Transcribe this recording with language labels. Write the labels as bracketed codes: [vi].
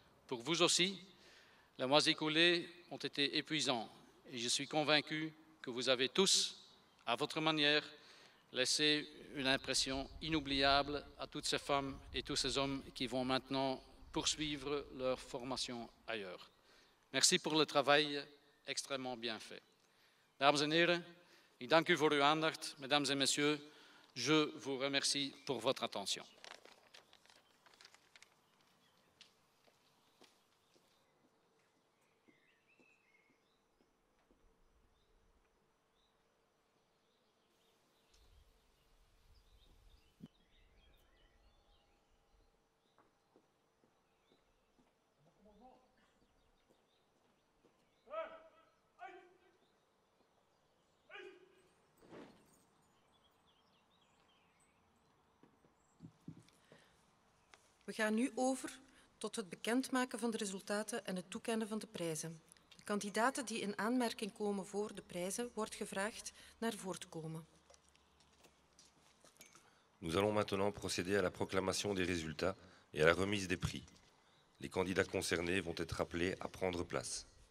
[fr] Pour vous aussi, les mois écoulés ont été épuisants et je suis convaincu que vous avez tous, à votre manière, laissé une impression inoubliable à toutes ces femmes et tous ces hommes qui vont maintenant poursuivre leur formation ailleurs. Merci pour le travail extrêmement bien fait. [nl] Dames en heren, ik dank u voor uw aandacht. [fr] Mesdames et messieurs, je vous remercie pour votre attention. [nl] We gaan nu over tot het bekendmaken van de resultaten en het toekennen van de prijzen. De kandidaten die in aanmerking komen voor de prijzen wordt gevraagd naar voren te komen. [fr] Nous allons maintenant procéder à la proclamation des résultats et à la remise des prix. Les candidats concernés vont être appelés à prendre place.